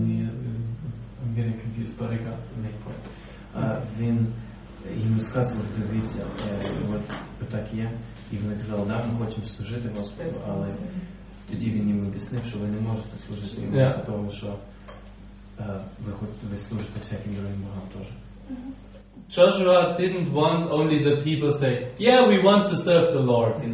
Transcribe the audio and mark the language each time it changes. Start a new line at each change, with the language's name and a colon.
English: I'm getting confused, but I got the main point.
Ukrainian: Він їм сказав, дивіться, от так є, і вони казали, да, ми хочемо служити Господу, але тоді він їм об'яснив, що ви не можете служити йому за того, що ви служите всяким другим богам теж.
English: Joshua didn't want only the people say, yeah, we want to serve the Lord.